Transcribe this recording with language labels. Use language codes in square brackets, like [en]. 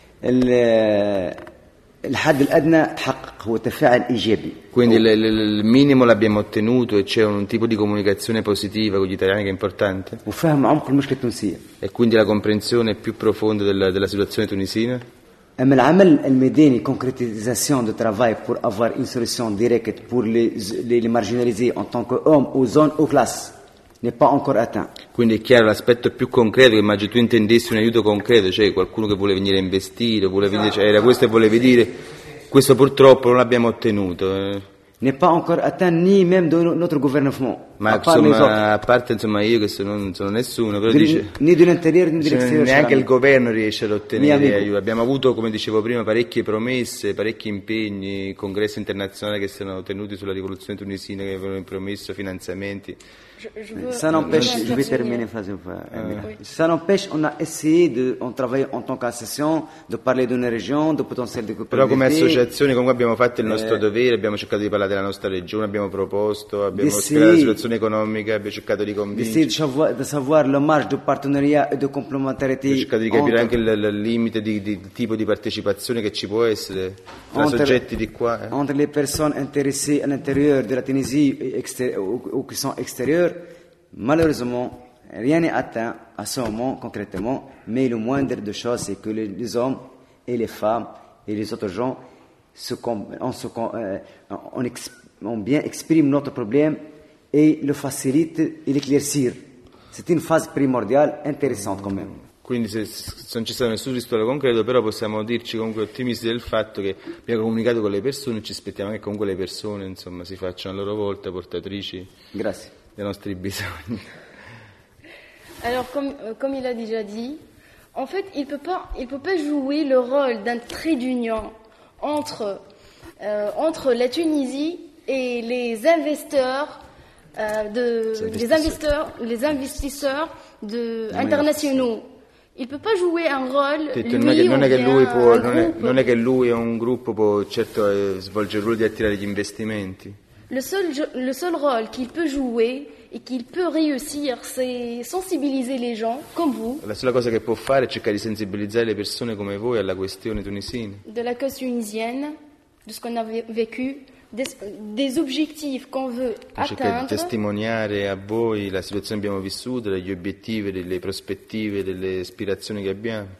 [ar] لا الحد الأدنى تحقق هو تفاعل إيجابي [it] quindi il minimo l'abbiamo ottenuto e c'è un tipo di comunicazione positiva con gli italiani che è importante [ar] وفهم عمق المشكلة التونسية [it] e quindi la comprensione più profonda della situazione tunisina [ar] أما العمل الميداني [fr] concretisation de travail pour avoir une solution directe pour les marginalisés en tant qu'homme ou zone ou classe n'est pas encore atteint. [it] Quindi è chiaro l'aspetto più concreto che immagino tu intendessi un aiuto concreto, cioè qualcuno che vuole venire a investire, vuole venire, cioè era questo che volevi dire. Questo purtroppo non l'abbiamo ottenuto. [fr] N'est pas encore atteint ni même de notre gouvernement. [it] Ma a parte insomma io che sono nessuno, però dice ni dell'interior ni dell'esterno. Neanche il governo riesce ad ottenere aiuto. Abbiamo avuto, come dicevo prima, parecchie promesse, parecchi impegni, congressi internazionali che si sono tenuti sulla rivoluzione tunisina che avevano promesso finanziamenti. [fr] Ça n'empêche, je vais terminer une phrase. Ça n'empêche, on a essayé de, on travaille en tant qu'association, de parler d'une région, de potentiel de coopération. [it] Però come associazione comunque abbiamo fatto il nostro dovere, abbiamo cercato di parlare della nostra regione, abbiamo proposto, abbiamo spiegato la situazione economica, abbiamo cercato di convincere. [fr] D'essayer de savoir le marge de partenariat et de complémentarité. [it] Abbiamo cercato di capire anche il limite di tipo di partecipazione che ci può essere tra soggetti di qua. [fr] Entre les personnes intéressées à l'intérieur de la Tunisie ou qui sont extérieures. Malheureusement, rien n'est atteint à ce moment concrètement, mais le moindre de choses, c'est que les hommes et les femmes et les autres gens bien expriment notre problème et le facilitent et l'éclaircissent. C'est une phase primordiale intéressante quand même. [it] Quindi se non ci sarà nessun risultato concreto, però possiamo dirci comunque ottimisti del fatto che abbiamo comunicato con le persone e ci aspettiamo che comunque le persone insomma si facciano a loro volta portatrici. Grazie. Dei nostri bisogni. [fr] Alors comme il a déjà dit, en fait, il peut pas jouer le rôle d'un trait d'union entre la Tunisie et les investisseurs les investisseurs internationaux. il peut pas jouer un rôle. [it] Non è che lui è un gruppo può certo svolgere il ruolo di attirare gli investimenti. [fr] Le seul rôle qu'il peut jouer et qu'il peut réussir, c'est sensibiliser les gens comme vous. La seule chose qu'il peut faire est [it] cercare di sensibilizzare le persone come voi alla questione tunisina. [fr] De la question tunisienne, de ce qu'on a vécu, des objectifs qu'on veut atteindre. [it] Cercare di testimoniare a voi la situazione che abbiamo vissuto, gli obiettivi, le prospettive, le aspirazioni che abbiamo.